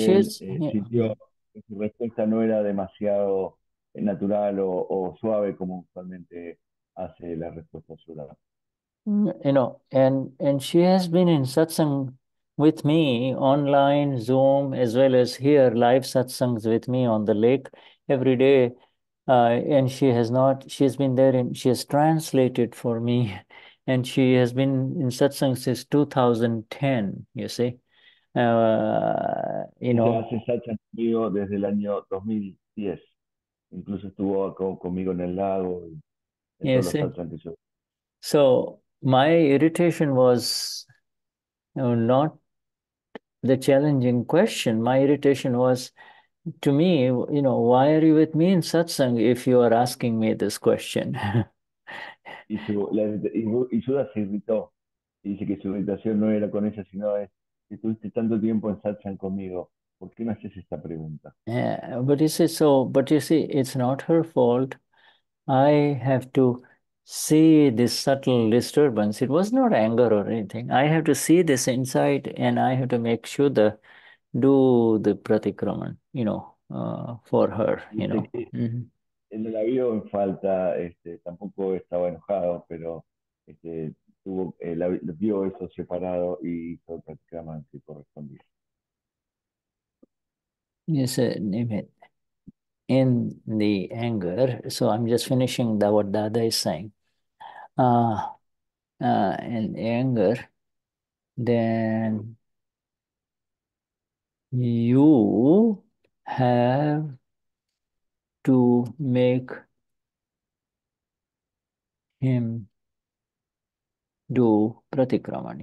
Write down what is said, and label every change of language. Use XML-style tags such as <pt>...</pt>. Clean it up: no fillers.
<es>Su respuesta no era demasiado natural o suave como usualmente hace la respuesta Sudha.</es> <en>You know, and she has been in satsang with me online, Zoom, as well as here, live satsangs with me on the lake. every day, and she has not, she has been there, and she has translated for me, and she has been in satsang since 2010, you see. You know,</en> <es>hace satsang conmigo desde el año 2010, incluso estuvo conmigo en el lago.</es> <en>Yes, so my irritation was not the challenging question. My irritation was, to me, you know, why are you with me in satsang if you are asking me this question?</en> <es>Y Suda se irritó. Dice que su irritación no era con ella, sino es, si estuviste tanto tiempo en satsang conmigo, ¿por qué me haces esta pregunta?</es> <en>Yeah, but you see, so, but you see, it's not her fault. I have to see this subtle disturbance. It was not anger or anything. I have to see this insight, and I have to make sure the do the pratikraman, you know, for her, you know.</en> <es>Él no la vio en falta, tampoco estaba enojado, pero tuvo, la vio eso separado y hizo el pratikraman que correspondía.</es> <en>Yes, name it. In the anger, so I'm just finishing the, what Dada is saying. In anger, then you have to make him do pratikraman.</en>